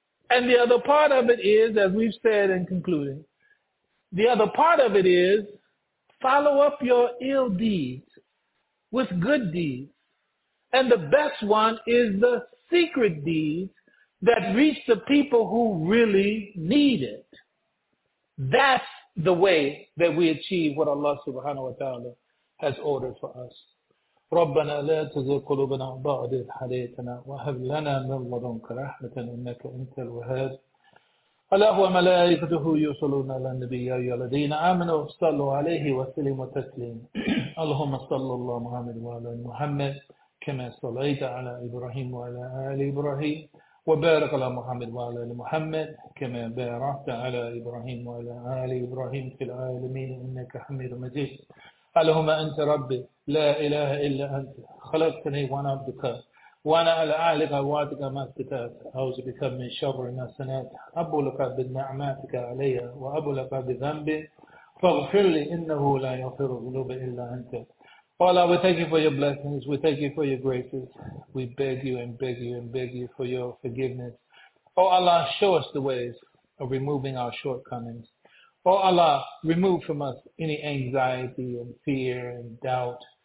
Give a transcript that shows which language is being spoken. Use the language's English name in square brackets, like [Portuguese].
[English] And the other part of it is, as we've said in concluding, the other part of it is, follow up your ill deeds with good deeds. And the best one is the secret deeds that reach the people who really need it. That's the way that we achieve what Allah subhanahu wa ta'ala has ordered for us. [Arabic] رَبَّنَا لَا تَزِغْ قُلُوبَنَا بَعْدِ إِذْ هَدَيْتَنَا وَهَبْ لَنَا مِنْ لَدُنْكَ رَحْمَةً إِنَّكَ أَنْتَ الْوَهَّابُ أَلَهُ وَمَلَائِكَتُهُ يُصَلُّونَ عَلَى النَّبِيِّ يَا أَيُّهَا الَّذِينَ آمَنُوا صَلُّوا عَلَيْهِ وَسَلِّمُوا تَسْلِيمًا اللَّهُمَّ صَلِّ عَلَى مُحَمَّدٍ وَعَلَى آلِ مُحَمَّدٍ كما صليت على إبراهيم وعلى آل إبراهيم وبارك على محمد وعلى آل محمد كما باركت على إبراهيم وعلى آل إبراهيم في العالمين إنك حميد مجيد اللهم أنت ربي لا إله إلا أنت خلقتني وأنا عبدك وأنا على أهلك وعدك ما استطعت أعوذ بك من شر ما صنعت أبو لك بنعمتك علي وأبو لك بذنبي فاغفر لي إنه لا يغفر الذنوب إلا أنت. [English] Allah, we thank you for your blessings. We thank you for your graces. We beg you and beg you and beg you for your forgiveness. Oh Allah, show us the ways of removing our shortcomings. Oh Allah, remove from us any anxiety and fear and doubt.